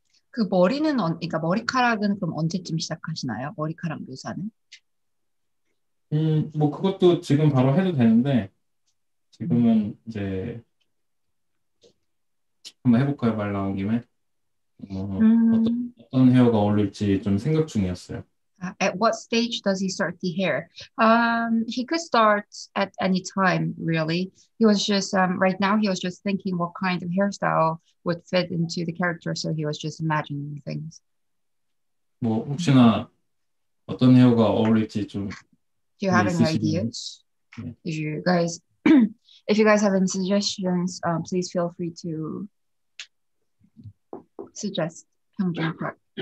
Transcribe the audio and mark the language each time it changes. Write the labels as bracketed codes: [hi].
[ko] 그 머리는 그러니까 머리카락은 그럼 언제쯤 시작하시나요? 머리카락 묘사는? 뭐 그것도 지금 바로 해도 되는데 지금은 이제 한번 해볼까요? 말 나온 김에 어떤 헤어가 어울릴지 좀 생각 중이었어요. [en] At what stage does he start the hair? He could start at any time, really. He was just right now. He was just thinking what kind of hairstyle would fit into the character, so he was just imagining things. [ko] 뭐 혹시나 어떤 헤어가 어울릴지 좀 [en] Do you have any ideas? Yeah. If you guys have any suggestions, please feel free to suggest 평준 Park.